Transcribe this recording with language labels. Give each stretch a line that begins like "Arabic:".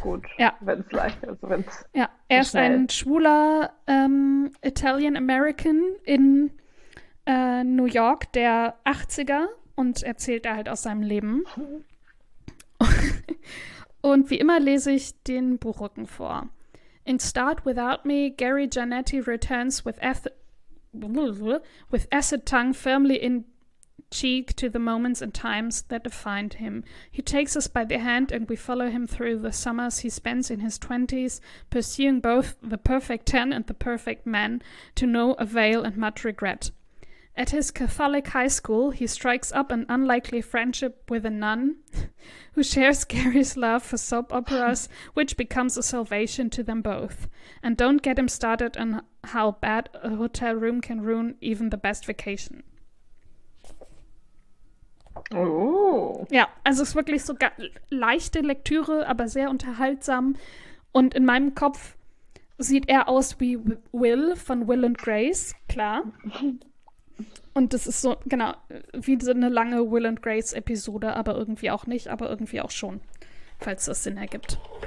German: gut, wenn es leicht, also wenn es ja, so er ist ein schnell. schwuler Italian American in New York der 80er und erzählt da halt aus seinem Leben. Und wie immer lese ich den Buchrücken vor.
English: In Start Without Me, Gary Giannetti returns with acid tongue firmly in cheek to the moments and times that defined him. He takes us by the hand and we follow him through the summers he spends in his 20s, pursuing both the perfect 10 and the perfect man to no avail and much regret. At his Catholic high school, he strikes up an unlikely friendship with a nun who shares Gary's love for soap operas, which becomes a salvation to them both. And don't get him started on how bad a hotel room can ruin even the best vacation. Oh.
German: Ja, also es ist wirklich so leichte Lektüre, aber sehr unterhaltsam. Und in meinem Kopf sieht er aus wie Will von Will und Grace, klar. Und das ist so, genau, wie so eine lange Will und Grace-Episode, aber irgendwie auch nicht, aber irgendwie auch schon, falls das Sinn ergibt.